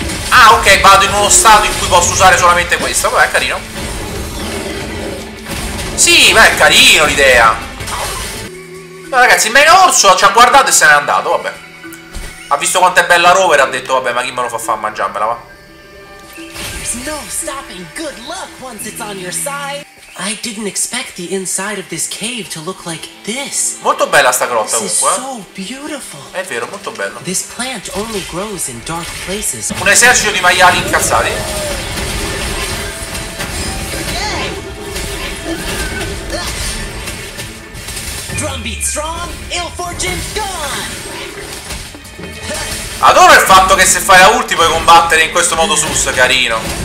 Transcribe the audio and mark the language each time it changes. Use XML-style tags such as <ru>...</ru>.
<it>Ah, ok, vado in uno stato in cui posso usare solamente questo. Vabbè, è carino. Sì, beh, è carino l'idea. Ma ragazzi, il mega orso ci ha guardato e se n'è andato, vabbè. Ha visto quanto è bella Rover e ha detto, vabbè, ma chi me lo fa fare a mangiarmela, va?</it> <en>No stopping. Good luck once it's on your side. I didn't expect the inside of this cave to look like this.</en> <it>Molto bella sta grotta comunque.</it> <en>So beautiful.</en> <it>È vero, molto bello.</it> <en>This plant only grows in dark places.</en> <it>Un esercito di maiali incazzati.</it> <en>Drumbeat strong, ill fortune's gone.</en> <it>Adoro il fatto che se fai la ulti puoi combattere in questo modo sus, carino.</it>